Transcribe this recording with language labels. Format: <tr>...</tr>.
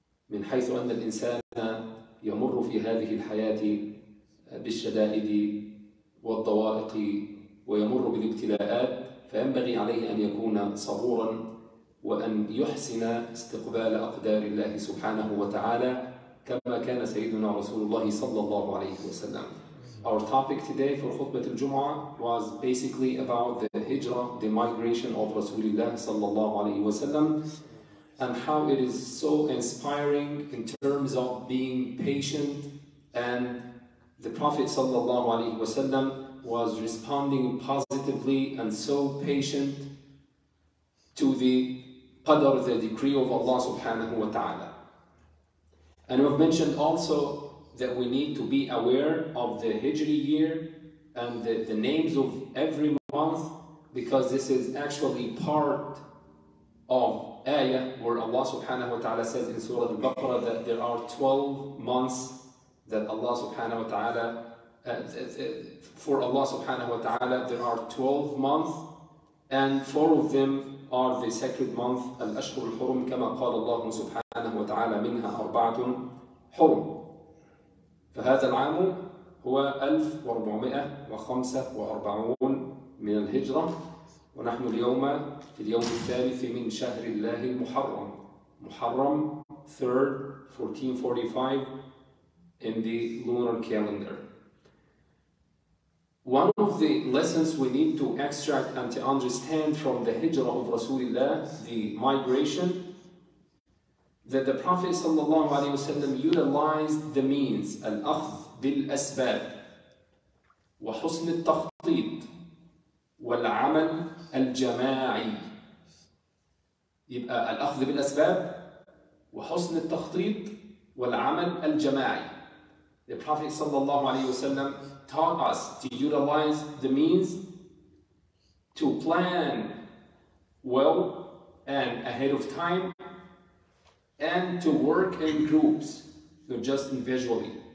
<ar>من حيث أن الإنسان يمر في هذه الحياة بالشدائد والضوائق ويمر بالابتلاءات، فينبغي عليه أن يكون صبورا وأن يحسن استقبال أقدار الله سبحانه وتعالى، كما كان سيدنا رسول الله صلى الله عليه وسلم.</ar> <en>Our topic today for</en> <ar>خطبة الجمعة</ar> <en>was basically about the hijrah, the migration of</en> <ar>رسول الله صلى الله عليه وسلم,</ar> <en>and how it is so inspiring in terms of being patient. And the Prophet sallallahu alaihi wasallam was responding positively and so patient to the qadr, the decree of Allah subhanahu wa ta'ala. And we've mentioned also that we need to be aware of the Hijri year and the names of every month, because this is actually part of ayah where Allah subhanahu wa ta'ala says in Surah Al-Baqarah that there are 12 months that Allah subhanahu wa ta'ala, for Allah subhanahu wa ta'ala, there are 12 months, and four of them are the sacred month, Al-Ashhur Al-Hurum,</en> <ar>كما قال الله سبحانه وتعالى منها أربعة حرم. فهذا العام هو 1445 من الهجرة، ونحن اليوم في اليوم الثالث من شهر الله المحرم. محرم</ar> <en>3rd 1445 in the lunar calendar. One of the lessons we need to extract and to understand from the hijrah of Rasulullah, the migration, that the Prophet sallallahu alaihi wasallam utilized the means,</en> <ar>al-akhdh bil-asbab wa husn al-takhtit والعمل الجماعي. يبقى الأخذ بالأسباب وحسن التخطيط والعمل الجماعي.</ar> <en>The Prophet</en> <ar>صلى الله عليه وسلم</ar> <en>taught us to utilize the means, to plan well and ahead of time, and to work in groups, not just individually.</en>